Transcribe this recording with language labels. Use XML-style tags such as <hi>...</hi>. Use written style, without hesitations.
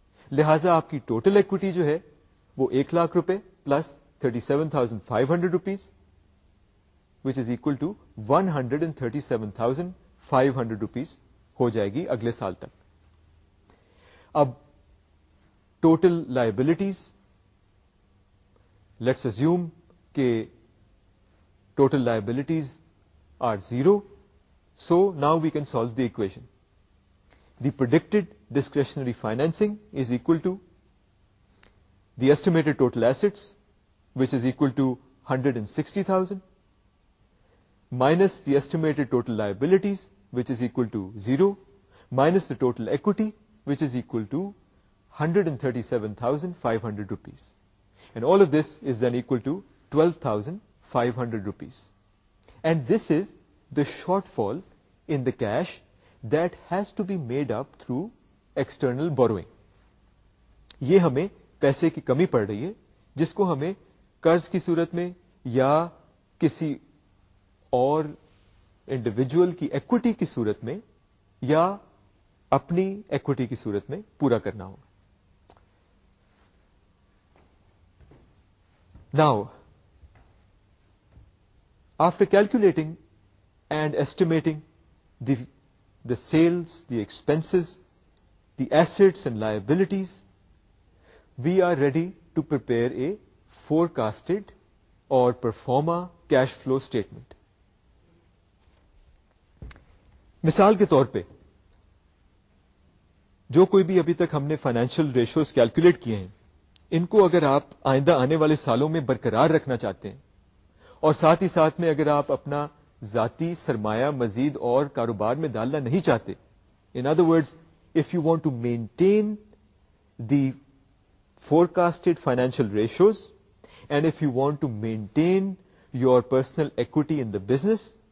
<ur>لہذا آپ کی ٹوٹل ایکویٹی جو ہے وہ 1,00,000 روپے plus 37,500 rupees</ur> <en>which is equal to</en> <ur>137,500 rupees ہو جائے گی اگلے سال تک. اب ٹوٹل لائبلٹیز,</ur> <en>let's assume</en> <ur>کہ total liabilities</ur> <en>Are zero. So now we can solve the equation. The predicted discretionary financing is equal to the estimated total assets, which is equal to 160,000, minus the estimated total liabilities, which is equal to 0, minus the total equity, which is equal to 137,500 rupees. And all of this is then equal to 12,500 rupees. And this is the shortfall in the cash that has to be made up through external borrowing.</en> <ur>یہ ہمیں پیسے کی کمی پڑ رہی ہے جس کو ہمیں قرض کی صورت میں یا کسی اور انڈیویجل کی ایکویٹی کی صورت میں یا اپنی ایکویٹی کی صورت میں پورا کرنا ہوگا.</ur> <en>Now, after calculating and estimating the sales, the expenses, the assets and liabilities, we are ready to prepare a forecasted or performa cash flow statement.</en> <ur>مثال کے طور پہ جو کوئی بھی ابھی تک ہم نے financial ratios calculate کیے ہیں ان کو اگر آپ آئندہ آنے والے سالوں میں برقرار رکھنا چاہتے ہیں اور ساتھ ہی ساتھ میں اگر آپ اپنا ذاتی سرمایہ مزید اور کاروبار میں ڈالنا نہیں چاہتے,</ur> <en>in other words if you want to maintain the forecasted financial ratios and if you want to maintain your personal equity in the business,</en>